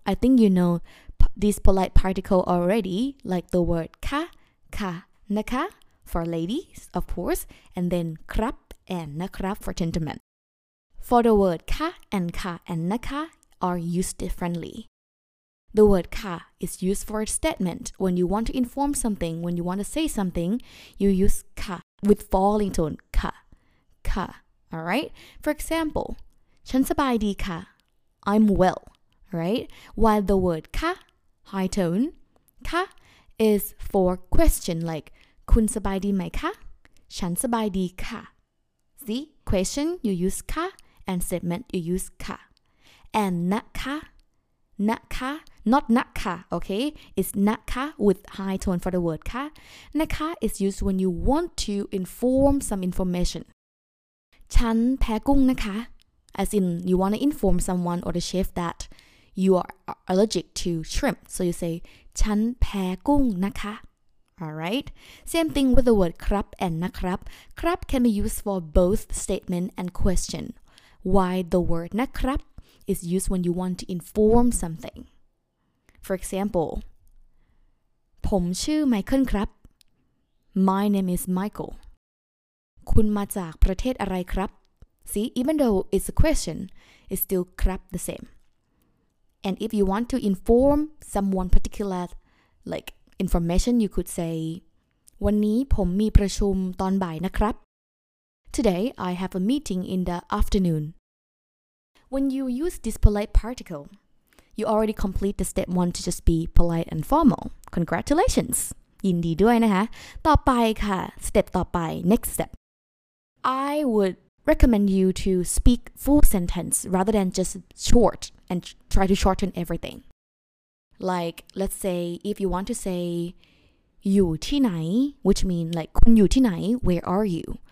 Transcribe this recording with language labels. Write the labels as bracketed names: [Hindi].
[English] I think you know this polite particle already, like the word ka, ka, na ka for ladies, of course, and then krap and na krap for gentlemen. For the word ka and ka and na ka are used differently. The word ka is used for a statement. When you want to inform something, when you want to say something, you use ka with falling tone. Ka, ka. All right. For example, [Thai] ฉันสบายดีค่ะ [English] I'm well. Right. While the word ka, high tone, ka is for question like [Thai] คุณสบายดีไหมคะ ฉันสบายดีค่ะ [English] See, question, you use ka. And statement you use ka, and na ka, not na ka. Okay, it's na ka with high tone for the word ka. Na ka is used when you want to inform some information. [Thai] ฉันแพ้กุ้งนะคะ [English] as in you want to inform someone or the chef that you are allergic to shrimp. So you say [Thai] ฉันแพ้กุ้งนะคะ [English] All right. Same thing with the word ครับ and นะครับ ครับ can be used for both statement and question. Why the word na krap is used when you want to inform something. For example, [Thai] ผมชื่อไมเคิลครับ [English] My name is Michael. [Thai] คุณมาจากประเทศอะไรครับ [English] See, even though it's a question, it's still krap the same. And if you want to inform someone particular, like information, you could say, [Thai] วันนี้ผมมีประชุมตอนบ่ายนะครับ [English] Today, I have a meeting in the afternoon. When you use this polite particle, you already complete the step one to just be polite and formal. Congratulations! [Thai] ยินดีด้วยนะคะ ต่อไปค่ะ step ต่อไป [English] next step. I would recommend you to speak full sentence rather than just short and try to shorten everything. Like, let's say, if you want to say, [Thai] อยู่ที่ไหน [English] which means like, [Thai] คุณอยู่ที่ไหน [English] where are you?